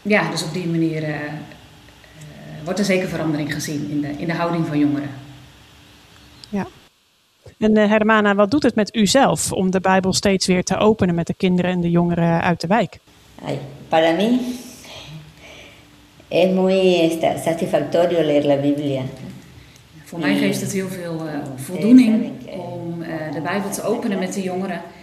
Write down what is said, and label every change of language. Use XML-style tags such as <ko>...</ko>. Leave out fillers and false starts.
<nl>Dus op die manier wordt er zeker verandering gezien in de houding van jongeren. Ja. En Hermana, wat doet het met u zelf om de Bijbel steeds weer te openen met de kinderen en de jongeren uit de wijk?</nl> <es>Para mí, Es muy satisfactorio leer la Biblia.</es> <nl>Voor mij geeft het heel veel voldoening om de Bijbel te openen met de jongeren.</nl>